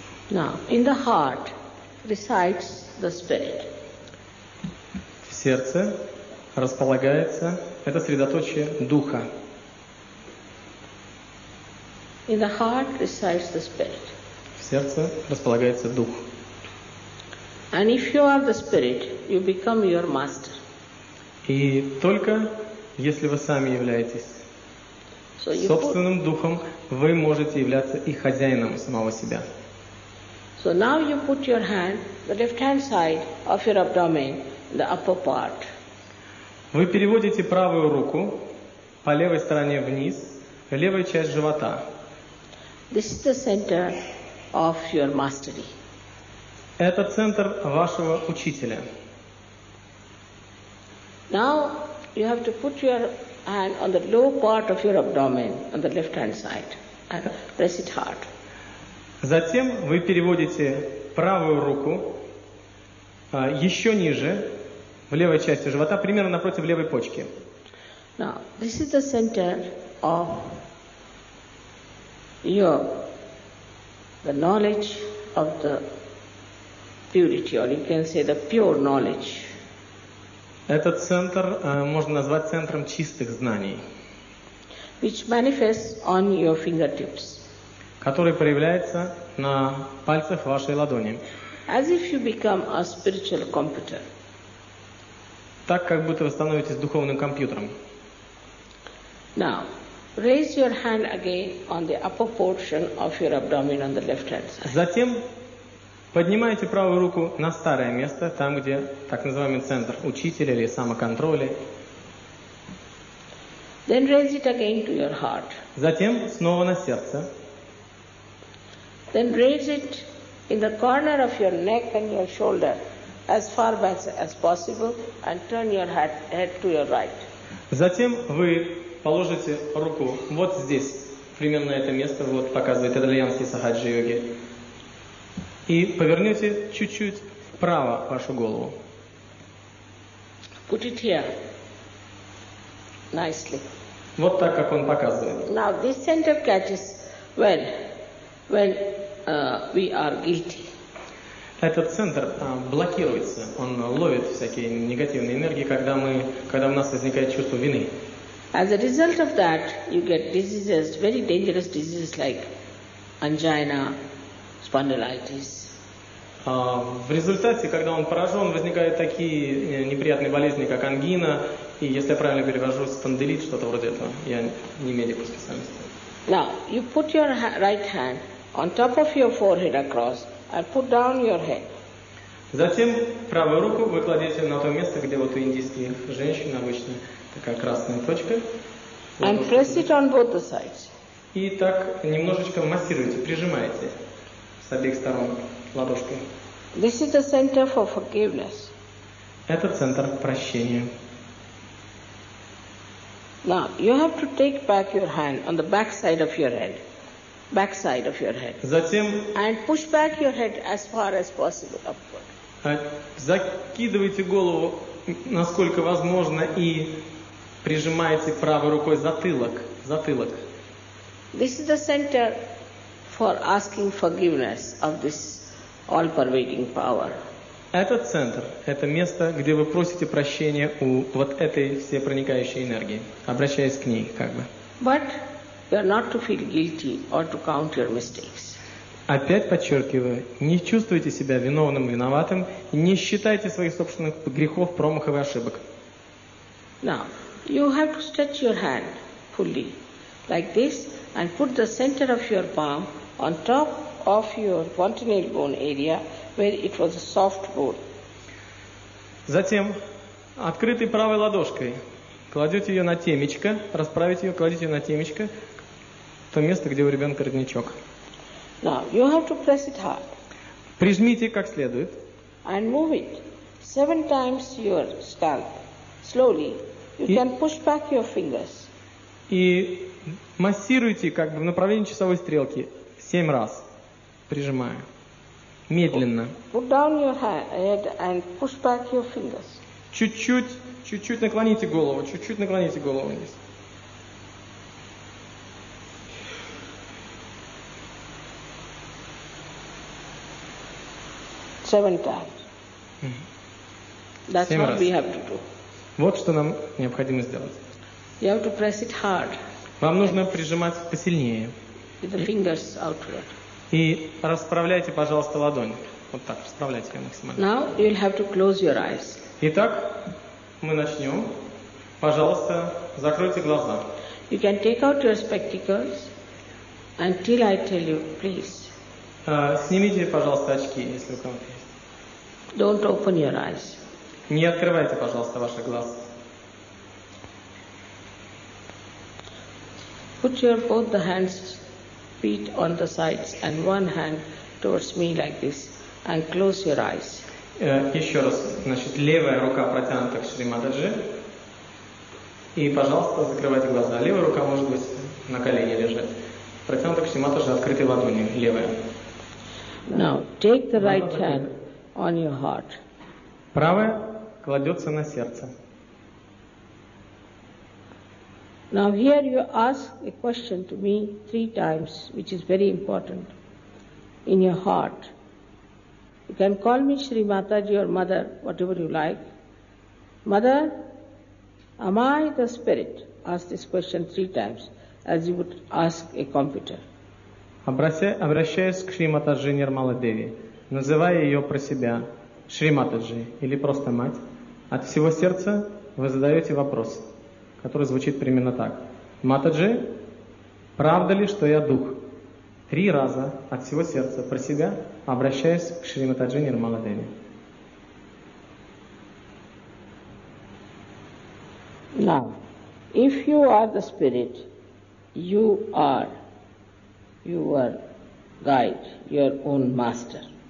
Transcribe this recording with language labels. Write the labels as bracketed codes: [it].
[en] Now, in the heart resides the spirit. [ru] В сердце располагается это средоточие духа. [en] In the heart resides the spirit. [ru] В сердце располагается дух. [en] And if you are the spirit, you become your master. [ru] И только если вы сами являетесь собственным духом, вы можете являться и хозяином самого себя. [en] So now you put your hand, the left hand side of your abdomen, the upper part. [ru] Вы переводите правую руку по левой стороне вниз, левая часть живота. [en] This is the center of your mastery. [ru] Это центр вашего учителя. [en] Now you have to put your hand on the low part of your abdomen, on the left hand side, and press it hard. [ru] Затем вы переводите правую руку еще ниже, в левой части живота, примерно напротив левой почки. [en] Now this is the center of your the knowledge of the purity, or you can say the pure knowledge. [ru] Этот центр можно назвать центром чистых знаний, [en] which manifests on your fingertips, [ru] который проявляется на пальцах вашей ладони, [en] as if you become a spiritual computer, [ru] так как будто вы становитесь духовным компьютером. [en] Now, raise your hand again on the upper portion of your abdomen on the left hand side. [ru] Затем поднимаете правую руку на старое место, там, где так называемый центр учителя или самоконтроля. [en] Then raise it again to your heart. [ru] Затем снова на сердце. [en] Then raise it in the corner of your neck and your shoulder as far back as possible and turn your head to your right. [ru] Затем вы положите руку вот здесь, примерно это место, вот показывает итальянский сахаджа-йоги. И повернете чуть-чуть вправо вашу голову. [en] Put it here. Nicely. [ru] Вот так, как он показывает. [en] Now this center catches well when we are guilty. [ru] Этот центр блокируется. Он ловит всякие негативные энергии, когда у нас возникает чувство вины. [en] As a result of that, you get diseases, very dangerous diseases like angina, spondylitis. [ru] В результате, когда он поражен, возникают такие неприятные болезни, как ангина, и, если я правильно перевожу, спондилит, что-то вроде этого. Я не медик по специальности. [en] Now, you put your right hand on top of your forehead across and put down your head. [ru] Затем правую руку вы кладете на то место, где вот у индийских женщин обычно такая красная точка. [en] And press it on both the sides. [ru] И так немножечко массируете, прижимаете с обеих сторон. Ладошки. [en] This is the center for forgiveness. [ru] Это центр прощения. [en] Now you have to take back your hand on the back side of your head, back side of your head. [ru] Затем. [en] And push back your head as far as possible upward. [ru] Закидывайте голову насколько возможно и прижимайте правой рукой затылок, затылок. [en] This is the center for asking forgiveness of this. All-pervading power. [ru] Этот центр, это место, где вы просите прощения у вот этой всепроникающей энергии, обращаясь к ней, как бы. [en] But you are not to feel guilty or to count your mistakes. [ru] Опять подчеркиваю, не чувствуйте себя виновным, виноватым, не считайте своих собственных грехов, промахов и ошибок. [en] Now, you have to stretch your hand fully, like this, and put the center of your palm on top of your fontanel bone area where it was a soft bone. [ru] Затем открытой правой ладошкой кладете ее на темечко, расправите ее, кладете ее на темечко, то место, где у ребенка родничок. [en] Now you have to press it hard. [ru] Прижмите как следует. [en] And move it seven times your scalp slowly. You can push back your fingers. [ru] И массируйте как бы в направлении часовой стрелки семь раз, прижимая. Медленно. [en] Put down your head and push back your fingers. [ru] Чуть-чуть наклоните голову, чуть-чуть наклоните голову вниз. [en] Seven times. That's what we have to do. [ru] Вот что нам необходимо сделать. [en] You have to press it hard. [ru] Вам нужно прижимать посильнее. [en] With the fingers outward. [ru] И расправляйте, пожалуйста, ладонь. Вот так, расправляйте ее максимально. [en] Now you'll have to close your eyes. [ru] Итак, мы начнем. Пожалуйста, закройте глаза. [en] You can take out your spectacles until I tell you, please. [ru] Снимите, пожалуйста, очки, если у кого-то есть. [en] Don't open your eyes. [ru] Не открывайте, пожалуйста, ваши глаза. [en] Put your both the hands feet on the sides and one hand towards me like this and close your eyes. [ru] Еще раз, значит, левая рука протянута к Шри Матаджи. И, пожалуйста, закрывайте глаза. Левая рука, может быть, на колене лежит. Протянута к Шри Матаджи открытой ладонью, левая. [en] Now, take the right hand on your heart. [ru] Правая кладется на сердце. [en] Now here you ask a question to me three times, which is very important, in your heart. You can call me Shri Mataji or Mother, whatever you like. Mother, am I the spirit? Ask this question three times, as you would ask a computer. [ru] Обращаясь к Шри Матаджи Нирмала Деви, называя ее про себя Шри Матаджи или просто Мать, от всего сердца вы задаете вопрос, который звучит примерно так. Матаджи, правда ли, что я дух? Три раза от всего сердца про себя обращаюсь к Шри Матаджи Нирмала Деви. [en] Now, if you are the spirit, you are your guide, your own master.